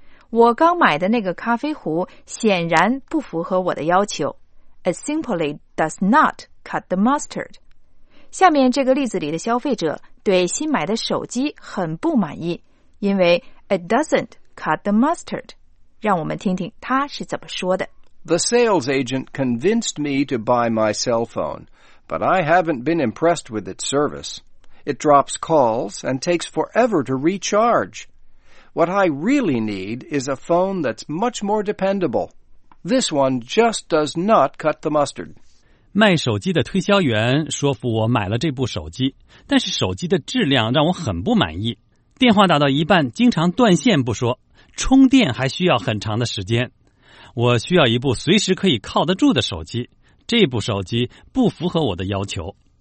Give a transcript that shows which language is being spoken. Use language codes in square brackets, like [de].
[zh] 我刚买的那个咖啡壶显然不符合我的要求。 [en] It simply does not cut the mustard. [zh] 下面这个例子里的消费者对新买的手机很不满意，因为 [en] it doesn't cut the mustard. [zh] 让我们听听他是怎么说的。 [en] The sales agent convinced me to buy my cell phone, but I haven't been impressed with its service. It drops calls and takes forever to recharge. What I really need is a phone that's much more dependable. This one just does not cut the mustard. [zh] 卖手机的推销员说服我买了这部手机，但是手机的质量让我很不满意。电话打到一半经常断线不说，充电还需要很长的时间。我需要一部随时可以靠得住的手机，这部手机不符合我的要求。